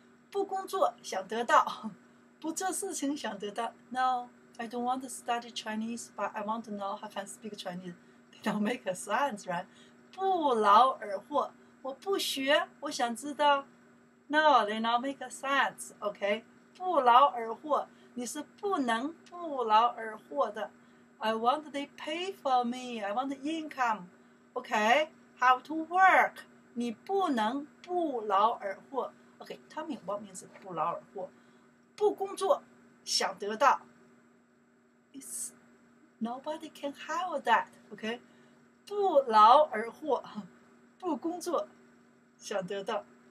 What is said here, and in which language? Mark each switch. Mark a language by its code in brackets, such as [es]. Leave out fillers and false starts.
[zh] 不工作想得到，不做事情想得到。 [en] No, I don't want to study Chinese, but I want to know how to speak Chinese. They don't make a sense, right? [zh] 不劳而获，我不学，我想知道。 [en] No, they don't make a sense, okay? [zh] 不劳而获，你是不能不劳而获的。 [en] I want they pay for me, I want income, okay? Have to work, [zh] 你不能不劳而获。 [en] Okay, tell me what means [zh] 不劳而获，不工作，想得到。 [en] It's nobody can have that. Okay, [zh] 不劳而获，不工作，想得到。